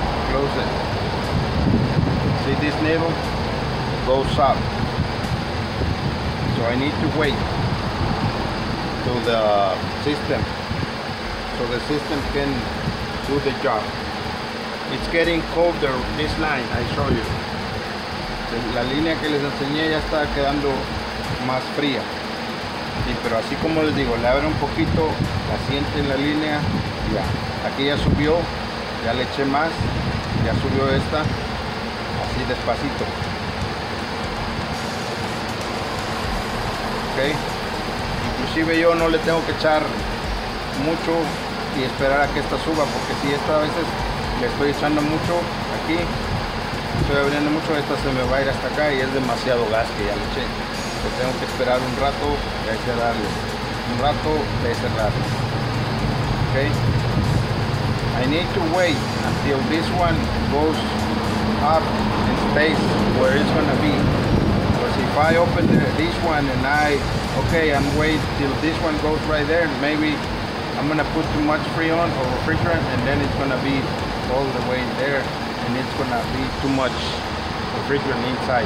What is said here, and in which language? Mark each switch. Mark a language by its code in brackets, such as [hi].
[en] Close it. See this needle? It goes up. So I need to wait till the system, so the system can do the job. It's getting colder, this line I show you. [es] La línea que les enseñé ya está quedando más fría. Sí, pero así como les digo, le abre un poquito, la siente en la línea, ya. Aquí ya subió, ya le eché más, ya subió esta, así despacito. Ok, inclusive yo no le tengo que echar mucho y esperar a que esta suba, porque si esta a veces le estoy echando mucho aquí, estoy abriendo mucho, esta se me va a ir hasta acá y es demasiado gas que ya le eché. Que tengo que esperar un rato de cerrarlo, un rato de cerrarlo. [en] Okay. I need to wait until this one goes up in space where it's gonna be. Because if I open this one and I, okay, I'm wait till this one goes right there, maybe I'm gonna put too much freon or refrigerant and then it's gonna be all the way there and it's gonna be too much refrigerant inside.